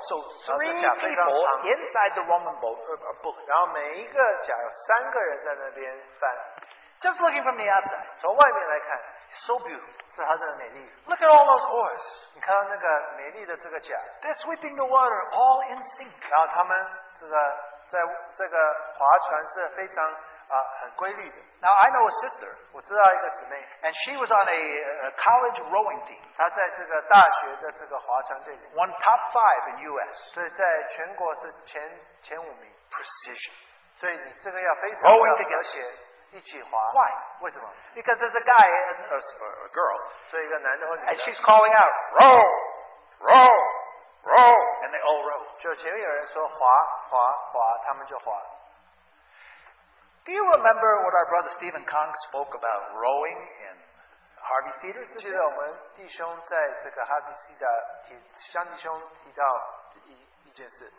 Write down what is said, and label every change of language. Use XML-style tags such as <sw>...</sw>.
<en>So three people inside the Roman boat are pulling.</en> <zh>然后每一个桨有三个人在那边翻。</zh> <en>Just looking from the outside.</en> <zh>从外面来看,</zh> <en>so beautiful. Look at all those oars. They're sweeping the water all in sync.</en> <zh>然后他们这个划船是非常, 很规律的。</zh> <en>Now I know a sister.</en> <zh>我知道一个姊妹,</zh> <en>and she was on a college rowing team.</en> <zh>她在这个大学的这个划船队里,</zh> <en>won top 5 in US.</en> <zh>所以在全国是前五名。</zh> <en>Precision.</en> <zh>所以你这个要非常的和谐。一起滑,</zh> <en>why?</en> <zh>为什么?</zh> <en>Because there's a guy, a girl,</en> <zh>所以一个男的或女的,</zh> <en>and she's calling out, row, row, row, and they all row.</en> <zh>就前面有人说滑滑滑，他们就滑。</zh> <en>Do you remember what our brother Stephen Kong spoke about rowing in Harvey Cedars?</en> <zh>记得我们弟兄在这个哈比西达提，向弟兄提到一件事。</zh>